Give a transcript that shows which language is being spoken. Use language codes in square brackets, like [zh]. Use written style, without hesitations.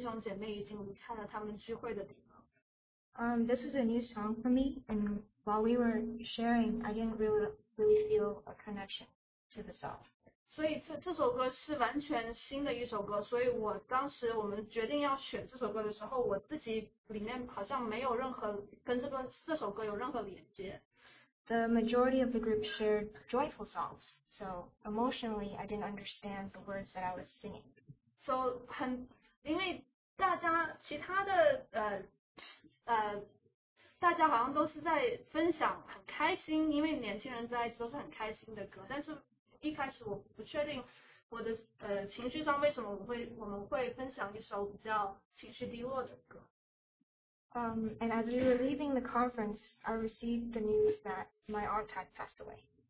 [zh] 有些是因为疫情的缘故，有些是因为有一些弟兄姐妹已经离开了他们聚会的地方。 [en] This was a new song for me, and while we were sharing, I didn't really feel a connection to the song. [zh] 所以这首歌是完全新的一首歌，所以我当时我们决定要选这首歌的时候，我自己里面好像没有任何跟这首歌有任何连接。 [en] The majority of the group shared joyful songs, so emotionally, I didn't understand the words that I was singing. So, [zh] 因为大家其他的 大家好像都是在分享很开心，因为年轻人在一起都是很开心的歌。但是一开始我不确定我的情绪上为什么我们会分享一首比较情绪低落的歌。 [en] And as we were leaving the conference, I received the news that my aunt had passed away.